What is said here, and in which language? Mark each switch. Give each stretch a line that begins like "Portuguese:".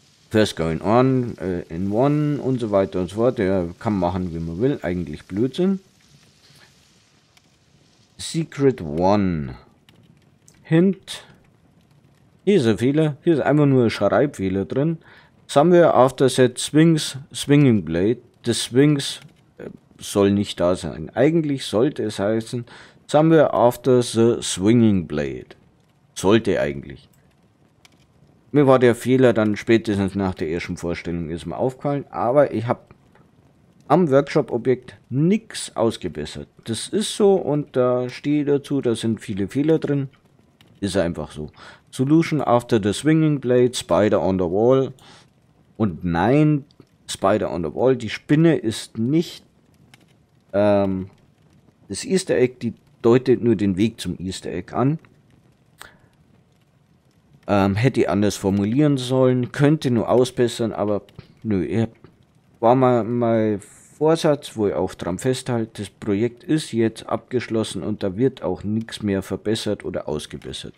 English: First going on, in one
German: und so weiter und so fort. Der kann machen, wie man will. Eigentlich Blödsinn.
English: Secret One. Hint.
German: Hier ist ein Fehler. Hier ist einfach nur ein Schreibfehler drin.
English: Somewhere after set swings, swinging blade. The swings
German: soll nicht da sein. Eigentlich sollte es heißen,
English: somewhere after the swinging blade.
German: Sollte eigentlich. Mir war der Fehler dann spätestens nach der ersten Vorstellung ist mir aufgefallen, aber ich habe am Workshop-Objekt nichts ausgebessert. Das ist so und da stehe ich dazu, da sind viele Fehler drin. Ist einfach so.
English: Solution after the swinging blade, spider on the wall.
German: Und nein,
English: spider on the wall,
German: die Spinne ist nicht das Easter Egg, die deutet nur den Weg zum Easter Egg an. Hätte ich anders formulieren sollen, könnte nur ausbessern, aber nö, war mein Vorsatz, wo ich auch dran festhalte, das Projekt ist jetzt abgeschlossen und da wird auch nichts mehr verbessert oder ausgebessert.